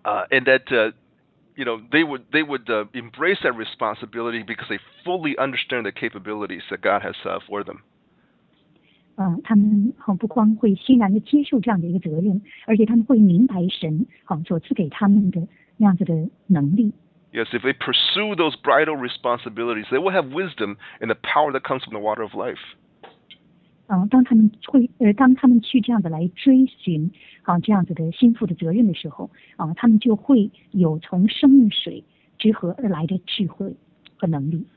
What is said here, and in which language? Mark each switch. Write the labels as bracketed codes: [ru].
[en] And that they would embrace that responsibility because they fully understand the capabilities that God has for them. [zh] 他们不光会欣然地接受这样的一个责任，而且他们会明白神所赐给他们的那样子的能力。 [en] Yes, if they pursue those bridal responsibilities, they will have wisdom and the power that comes from the water of life. [zh] 当他们去这样子来追寻这样子的心腹的责任的时候，他们就会有从生命水之河而来的智慧和能力。